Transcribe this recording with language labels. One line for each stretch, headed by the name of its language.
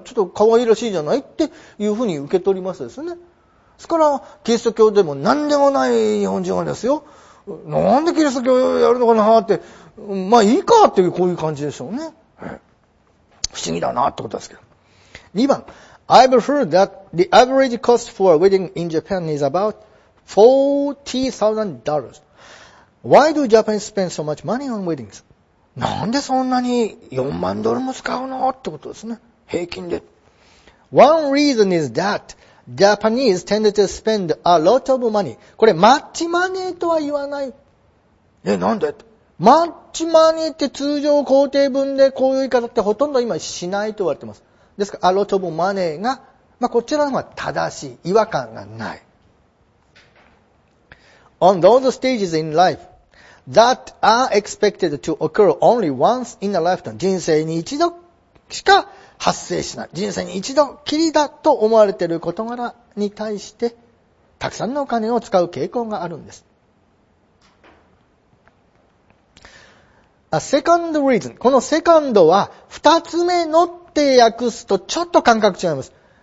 Japanese: ちょっと可愛らしいじゃない?っていうふうに受け取りますですね。ですから、キリスト教でも何でもない日本人はですよ。なんでキリスト教やるのかなって、まあいいかっていうこういう感じでしょうね。不思議だなってことですけど。 2番。
English: I've heard that the average cost for a wedding in Japan is about $40,000. Why do Japanese spend so much money on weddings?
Japanese: なんでそんなに4万ドルも使うのってことですね。平均で。
English: One reason is that Japanese tend to spend a lot of money.
Japanese: これマッチマネーとは言わない。なんで? マッチマネーって通常工程分でこういう言い方ってほとんど今しないと言われてます。ですから、
English: a lot of money
Japanese: が、まあ、こちらの方が正しい。違和感がない。
English: On those stages in life that are expected to occur only once in a lifetime.
Japanese: 人生に一度しか発生しない。人生に一度きりだと思われている事柄に対して、たくさんのお金を使う傾向があるんです。
English: A second reason。
Japanese: このセカンドは二つ目のって訳すとちょっと感覚違います。